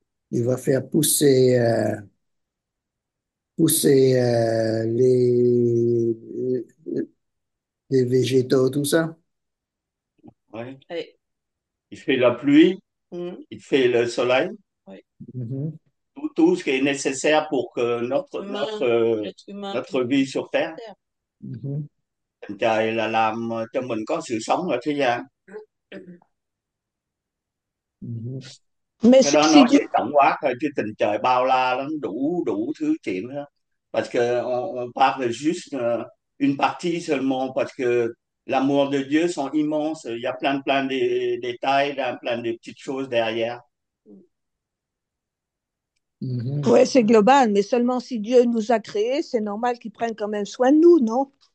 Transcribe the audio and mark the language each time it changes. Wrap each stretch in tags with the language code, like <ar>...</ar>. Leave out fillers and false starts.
<fr>il va faire pousser, pousser les végétaux, tout ça. Ouais. Il fait la pluie, il fait le soleil, tout ce qui est nécessaire pour que Humain, être humain, notre vie sur Terre. terre.</fr> <vi>Tình trời là làm cho mình có sự sống ở thế gian.</vi> <fr>Mais</fr> <vi>Cái đó</vi> <fr>c'est</fr> <vi>nói</vi> <fr>du</fr> <vi>vậy tổng quát thôi, chứ tình trời bao la lắm, đủ đủ thứ chuyện đó.</vi> <fr>Parce que on parle juste une partie seulement, parce que l'amour de Dieu sont immenses. Il y a plein plein de détails, plein de petites choses derrière. Oui, c'est global, mais seulement si Dieu nous a créés, c'est normal qu'il prenne quand même soin de nous, non?</fr>